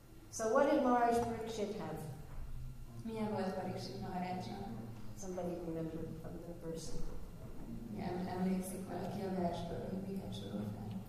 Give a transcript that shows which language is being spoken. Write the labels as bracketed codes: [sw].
[en] So what did Maharaj Parikshit have? [hu] Milyen volt Parikshit Maharaja? [en] Somebody remember from the verse. [hu] Emlékszik valaki a versből, hogy miket sorol fel.